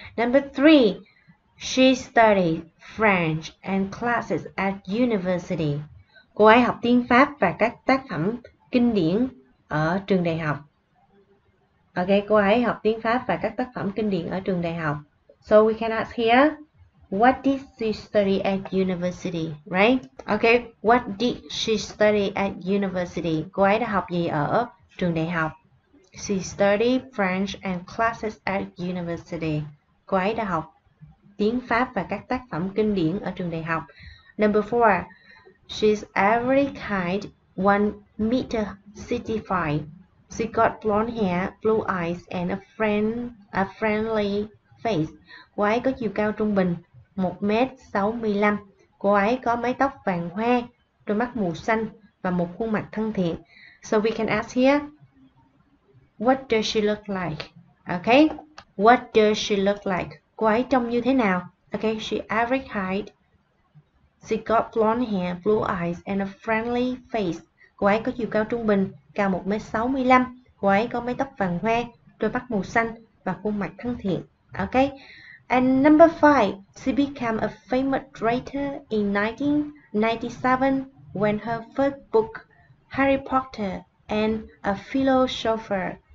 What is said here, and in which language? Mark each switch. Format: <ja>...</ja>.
<en>Number three, she studied French and classics at university.</en> <vi>Cô ấy học tiếng Pháp và các tác phẩm kinh điển ở trường đại học. Okay, cô ấy học tiếng Pháp và các tác phẩm kinh điển ở trường đại học.</vi> <en>So we can ask here, what did she study at university, right? Okay, what did she study at university?</en> <vi>Cô ấy đã học gì ở trường đại học?</vi> <en>She studied French and classics at university.</en> <vi>Cô ấy đã học tiếng Pháp và các tác phẩm kinh điển ở trường đại học.</vi> <en>Number four, she's every kind 1 meter 65. She got blonde hair, blue eyes, and a friendly face.</en> <vi>Cô ấy có chiều cao trung bình 1m65. Cô ấy có mái tóc vàng hoe, đôi mắt màu xanh và một khuôn mặt thân thiện.</vi> <en>So we can ask here, what does she look like? Okay, what does she look like?</en> <vi>Cô ấy trông như thế nào?</vi> <en>Okay, she average height. She got blonde hair, blue eyes, and a friendly face.</en> <vi>Cô ấy có chiều cao trung bình, cao 1m65. Cô ấy có mái tóc vàng hoe, đôi mắt màu xanh và khuôn mặt thân thiện.</vi> <en>Okay. And number five, she became a famous writer in 1997 when her first book, Harry Potter and a Philosopher,</en>